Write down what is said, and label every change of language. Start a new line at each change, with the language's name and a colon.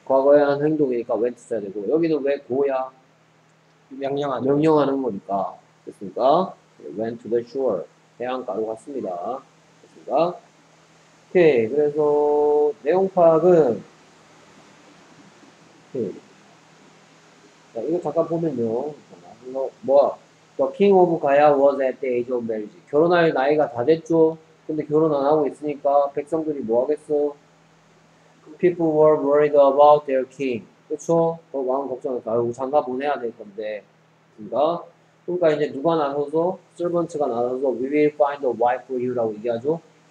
Korean: 과거에 한 행동이니까 went 써야 되고, 여기는 왜 go야? 명령하는. 명령하는 거니까. 됐습니까?
English: went to the shore.
Korean: 해안가로 갔습니다. 됐습니까? 오케이. 그래서, 내용 파악은, 오케이. 자, 이거 잠깐 보면요.
English: 뭐, the king of Gaya was at the age of marriage.
Korean: 결혼할 나이가 다 됐죠? 근데 결혼 안 하고 있으니까, 백성들이 뭐 하겠어?
English: People were worried about their king.
Korean: 그쵸? 그 왕 걱정하니까, 아이고, 장가 보내야 될 건데. 그니까? 그러니까 이제 누가 나서서, servant가 나서서,
English: we will find a wife for you
Korean: 라고 얘기하죠?